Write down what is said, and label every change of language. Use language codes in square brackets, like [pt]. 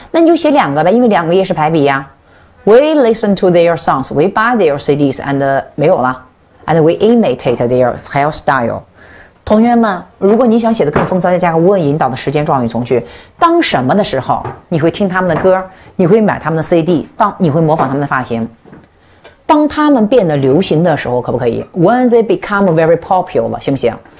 [zh] 那你就写两个呗，因为两个也是排比呀。 [en] We listen to their songs, we buy their CDs, and [zh] 没有了。 [en] And we imitate their hairstyle。 [zh] 同学们，如果你想写得更风骚，再加个 when 引导的时间状语从句。当什么的时候，你会听他们的歌，你会买他们的 CD，当你会模仿他们的发型。当他们变得流行的时候，可不可以？ [en] When they become very popular， [zh] 行不行？